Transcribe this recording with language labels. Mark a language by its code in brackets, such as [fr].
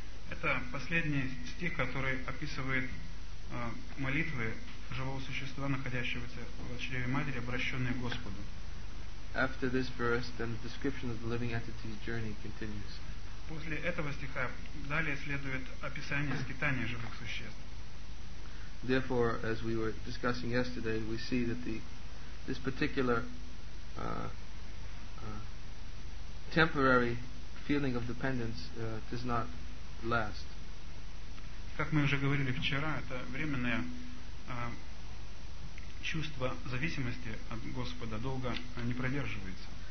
[ru] Это последний стих, который описывает молитвы живого существа, находящегося в чреве матери, обращенные к Господу. [en] After this verse, then the description of the living entity's journey continues. [ru] После этого стиха далее следует описание скитания живых существ. [en] Therefore, as we were discussing yesterday, we see that this particular temporary feeling of dependence does not last. [ru] Как мы уже говорили вчера, это временное чувство зависимости от Господа долго не продерживается.